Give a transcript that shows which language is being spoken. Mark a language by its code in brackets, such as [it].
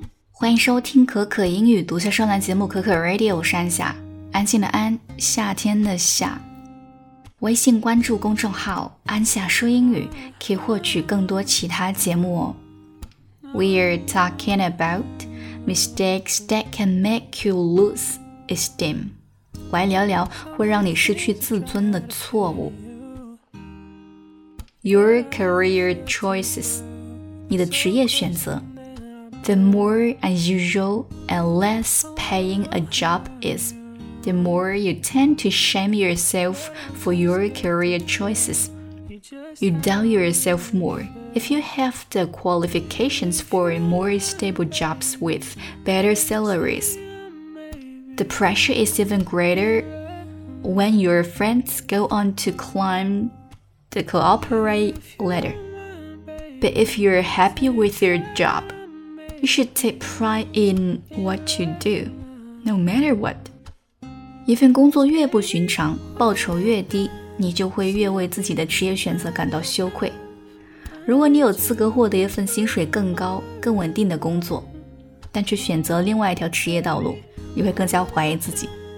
[zh] 欢迎收听可可英语独家专栏节目可可 Radio， 我是安夏，安静的安，夏天的夏。微信关注公众号安夏说英语，可以获取更多其他节目哦。 [en] We're talking about mistakes that can make you lose esteem. [zh] 我来聊聊会让你失去自尊的错误。 [en] Your career choices. [zh] 你的职业选择。 [en] The more unusual and less paying a job is, the more you tend to shame yourself for your career choices. You doubt yourself more. If you have the qualifications for more stable jobs with better salaries, the pressure is even greater when your friends go on to climb the corporate ladder. But if you're happy with your job,You should take pride in what you do, no matter what. [zh] 一份工作越不寻常，报酬越低，你就会越为自己的职业选择感到羞愧。如果你有资格获得一份薪水更高、更稳定的工作，但却选择另外一条职业道路，你会更加怀疑自己。